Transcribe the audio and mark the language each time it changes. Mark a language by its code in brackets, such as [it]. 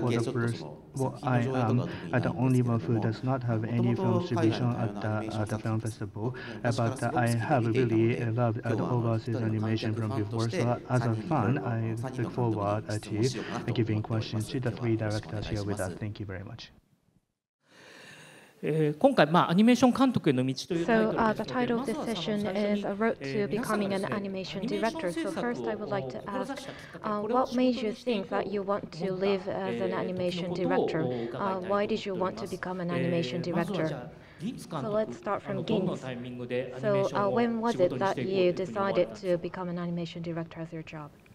[en] For the first, well, I am the only one who does not have any film exhibition at the film festival. But I have really loved the overseas animation from before. So as a fan, I look forward to giving questions to the three directors here with us. Thank you very much. [ja] 今回、アニメーション監督への道というタイトルですので、 [en] the title of this session is A Road to Becoming an Animation Director. So first, I would like to ask, what made you think that you want to live as an animation director? Why did you want to become an animation director? So let's start from Gints. So when was it that you decided to become an animation director as your job?